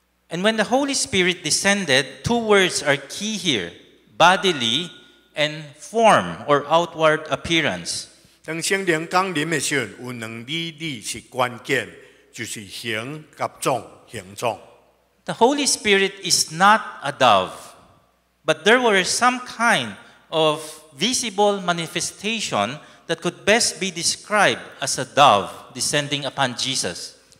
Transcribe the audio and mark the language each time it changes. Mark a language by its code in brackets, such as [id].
[en] And when the Holy Spirit descended, two words are key here, bodily and form or outward appearance. [nan] 当圣灵降临的时候，有两字是关键，就是形甲状，形状。 [en] The Holy Spirit is not a dove, but there were some kind of visible manifestation that could best be described as a dove descending upon Jesus.